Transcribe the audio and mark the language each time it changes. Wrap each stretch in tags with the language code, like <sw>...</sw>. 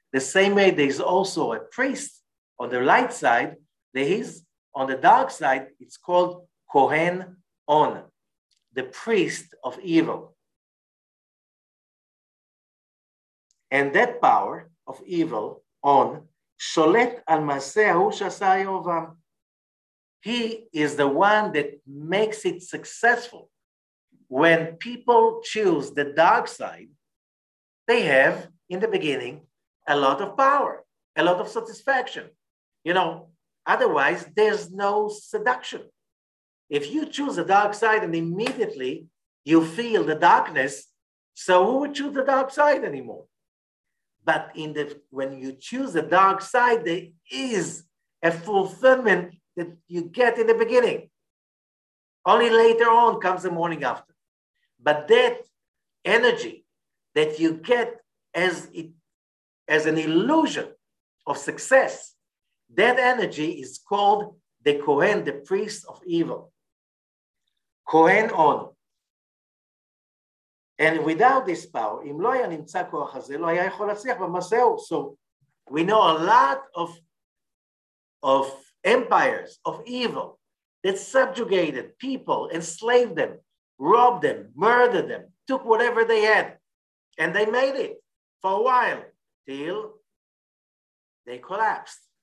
<en>The same way, there is also a priest on the light side. There is on the dark side, it's called Kohen On, the priest of evil. And that power of evil On</en> <he>שולט על מעשה ההוא שעשה ירובעם.</he> <en>He is the one that makes it successful. When people choose the dark side, they have, in the beginning, a lot of power, a lot of satisfaction. You know, otherwise, there's no seduction. If you choose the dark side and immediately you feel the darkness, so who would choose the dark side anymore? But in the, when you choose the dark side, there is a fulfillment that you get in the beginning. Only later on comes the morning after. But that energy that you get as it, as an illusion of success, that energy is called the Kohen, the priest of evil. Kohen on. And without this power,</en> <he>אם לא היה נמצא כוח הזה, לא היה יכול להצליח במסעו.</he> <en>So we know a lot of empires, of evil, that subjugated people, enslaved them, robbed them, murdered them, took whatever they had, and they made it for a while, till they collapsed.</en>